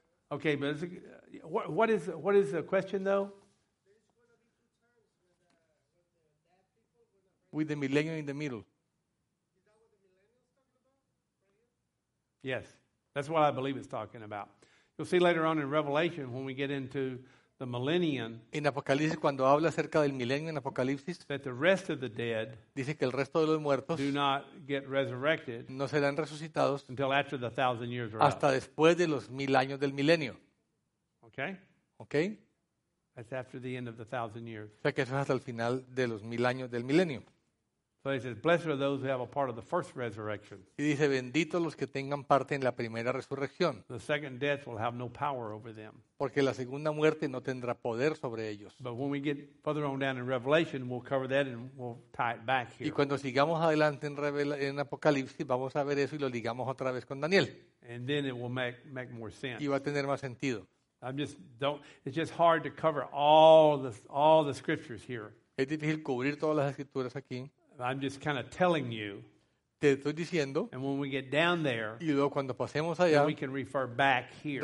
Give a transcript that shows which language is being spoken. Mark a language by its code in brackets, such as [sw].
[en] Okay, but what is the question, though? With the millennium in the middle. Yes, that's what I believe it's talking about. You'll see later on in Revelation when we get into the millennium. [es] En Apocalipsis, cuando habla acerca del milenio en Apocalipsis, [en] that the rest of the dead, [es] dice que el resto de los muertos, [en] do not get resurrected, [es] no serán resucitados, [en] until after the 1,000 years are up. [es] Hasta después de los 1,000 años del milenio. [en] Okay. Okay. That's after the end of the 1,000 years. [es] O sea que eso es hasta el final de los 1,000 años del milenio. [en] So he says, blessed are those who have a part of the first resurrection. [es] Y dice, benditos los que tengan parte en la primera resurrección. [en] The second death will have no power over them. [es] Porque la segunda muerte no tendrá poder sobre ellos. [en] But when we get further on down in Revelation, we'll cover that and we'll tie it back here. [es] Y cuando sigamos adelante en Apocalipsis, vamos a ver eso y lo ligamos otra vez con Daniel. [en] And then it will make more sense. [es] Y va a tener más sentido. [en] It's just hard to cover all the scriptures here. [es] Es difícil cubrir todas las escrituras aquí. [en] I'm just kind of telling you. [es] Te estoy diciendo. [en] And when we get down there, [es] y luego cuando pasemos allá, [en] we can refer back here.